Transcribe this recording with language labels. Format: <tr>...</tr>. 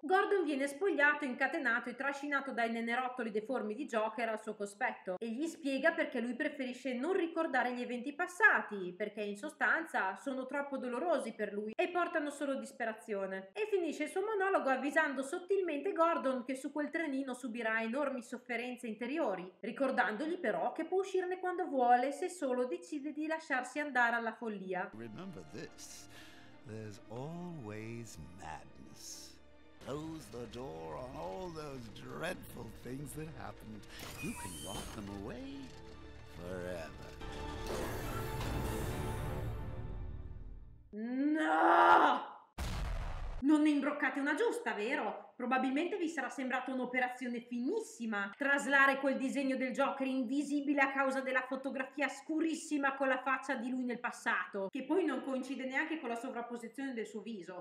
<it>Gordon viene spogliato, incatenato e trascinato dai nenerottoli deformi di Joker al suo cospetto e gli spiega perché lui preferisce non ricordare gli eventi passati, perché in sostanza sono troppo dolorosi per lui e portano solo disperazione. E finisce il suo monologo avvisando sottilmente Gordon che su quel trenino subirà enormi sofferenze interiori, ricordandogli però che può uscirne quando vuole se solo decide di lasciarsi andare alla follia.</it> <en>Remember this. There's always madness. Close the door on all those dreadful things that happened. You can lock them away forever. No!</en> <it>Non ne imbroccate una giusta, vero? Probabilmente vi sarà sembrata un'operazione finissima traslare quel disegno del Joker invisibile a causa della fotografia scurissima con la faccia di lui nel passato, che poi non coincide neanche con la sovrapposizione del suo viso.</it>